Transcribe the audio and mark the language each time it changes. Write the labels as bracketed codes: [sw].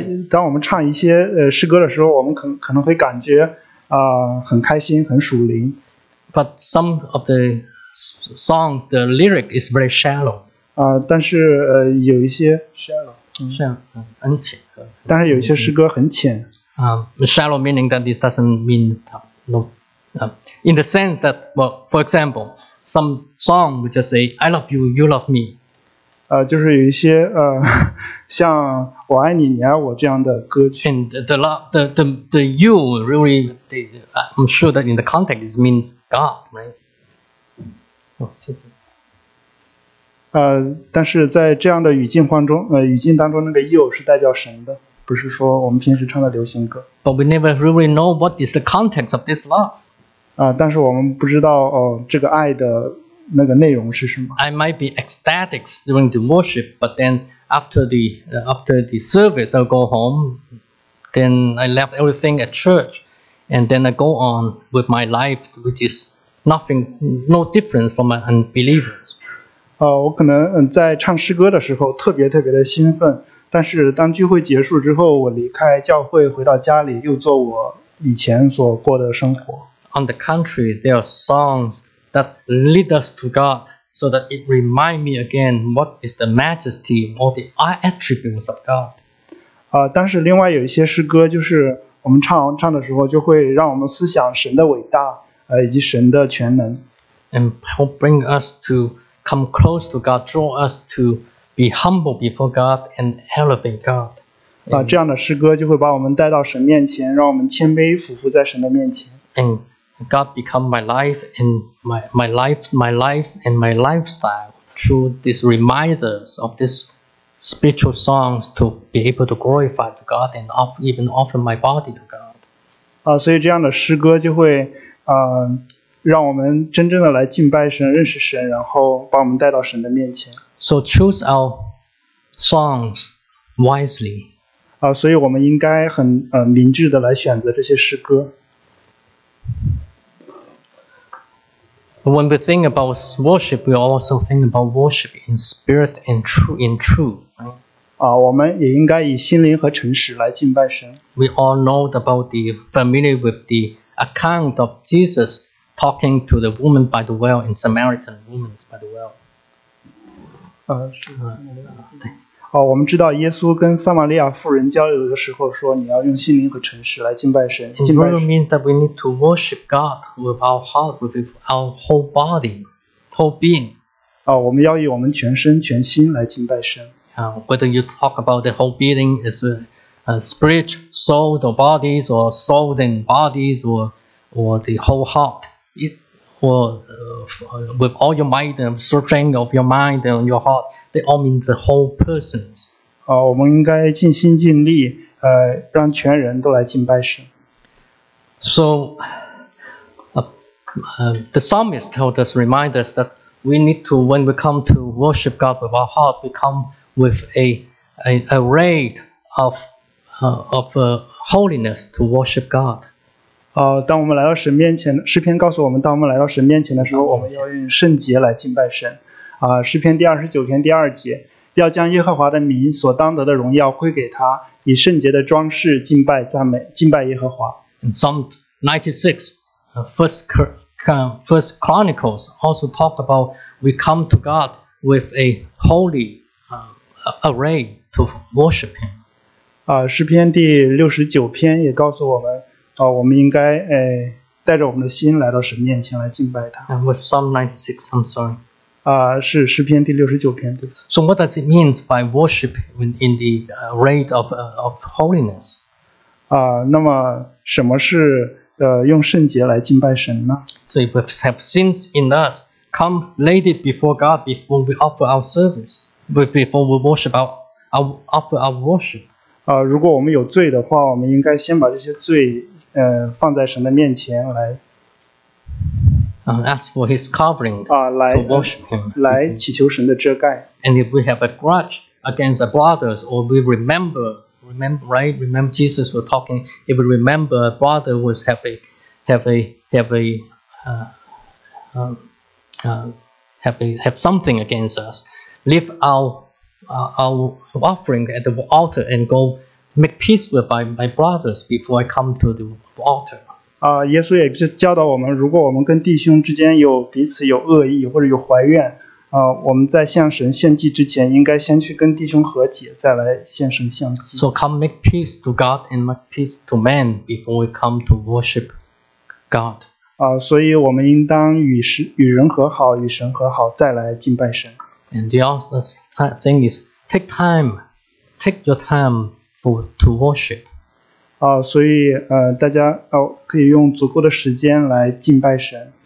[zh] 当我们唱一些诗歌的时候，我们可能会感觉很开心，很属灵。 [en] But some of the songs, the lyric is very shallow. [zh] 但是有一些 shallow， 很浅。但是有一些诗歌很浅。 [en] Shallow meaning that it doesn't mean no. In the sense that, well, for example, some song would just say, "I love you, you love me." [zh] 就是有一些像我爱你，你爱我这样的歌曲。 [en] And the you really, I'm sure that in the context it means God, right? [zh] 谢谢。但是在这样的语境当中，那个 you 是代表神的。不是说我们平时唱的流行歌。 [en] But we never really know what is the context of this love. [zh] 但是我们不知道这个爱的那个内容是什么。 [en] I might be ecstatic during the worship, but then after the service, I'll go home. Then I left everything at church, and then I go on with my life, which is nothing, no different from an unbeliever's. [zh] 我可能在唱诗歌的时候特别特别的兴奋。但是当聚会结束之后，我离开教会，回到家里，又做我以前所过的生活。 [en] On the contrary, there are songs that lead us to God, so that it remind me again what is the majesty or the attributes of God. [zh] 但是另外有一些诗歌，就是我们唱的时候，就会让我们思想神的伟大，以及神的全能。 [en] And help bring us to come close to God, draw us to. Be humble before God and elevate God. [zh] 这样的诗歌就会把我们带到神面前，让我们谦卑俯伏在神的面前。 [en] And God become my life and my life and my lifestyle through these reminders of these spiritual songs to be able to glorify to God and even offer my body to God. [zh] 所以这样的诗歌就会让我们真正的来敬拜神，认识神，然后把我们带到神的面前。 [en] So choose our songs wisely. [zh] 所以我们应该很明智的来选择这些诗歌。 [en] When we think about worship, we also think about worship in spirit and true. [zh] 我们也应该以心灵和诚实来敬拜神。 [en] We all know about the familiar with the account of Jesus talking to the woman by the well and Samaritan woman by the well. [zh] 我们知道耶稣跟撒玛利亚妇人交流的时候说，你要用心灵和诚实来敬拜神。敬拜神 [en] means that we need to worship God with our heart, with our whole body, whole being. [zh] 我们要以我们全身全心来敬拜神。 [en] Whether you talk about the whole being is a spirit, soul, the bodies, or soul and bodies, or the whole heart, with all your mind and strength of your mind and your heart, they all mean the whole person. [zh] 我们应该尽心尽力，让全人都来敬拜神。 [en] So, the psalmist told us, remind us that we need to, when we come to worship God with our heart, we come with a rate of holiness to worship God. [zh] 当我们来到神面前，诗篇告诉我们，当我们来到神面前的时候，我们要用圣洁来敬拜神。诗篇第二十九篇第二节，要将耶和华的名所当得的荣耀归给他，以圣洁的装饰敬拜赞美敬拜耶和华。 [en] Psalm 96, First Chronicles also talked about we come to God with a holy array to worship Him. [zh] 诗篇第六十九篇也告诉我们，我们应该带着我们的心来到神面前来敬拜他。 [en] And with Psalm 96, I'm sorry. [zh] 是诗篇第六十九篇，对不起。 [en] So what does it mean by worship in the array of holiness? [zh] 那么什么是用圣洁来敬拜神呢？ [en] So if we have sins in us, come laid it before God before we offer our service, before we worship offer our worship. [zh] 如果我们有罪的话，我们应该先把这些罪放在神的面前来。 [en] Ask for His covering to worship Him. [zh] 来祈求神的遮盖。 [en] And if we have a grudge against our brothers, or we remember Jesus was talking, if we remember a brother was have something against us, leave our offering at the altar and go make peace with my brothers before I come to the altar. [zh] 耶稣也教导我们，如果我们跟弟兄之间有彼此有恶意或者有怀怨，我们在向神献祭之前，应该先去跟弟兄和解，再来向神献祭。 [en] So come make peace to God and make peace to man before we come to worship God. [zh] 所以我们应当与人和好，与神和好，再来敬拜神。 [en] And the other thing is, take your time to worship. [zh] 所以大家可以用足够的时间来敬拜神。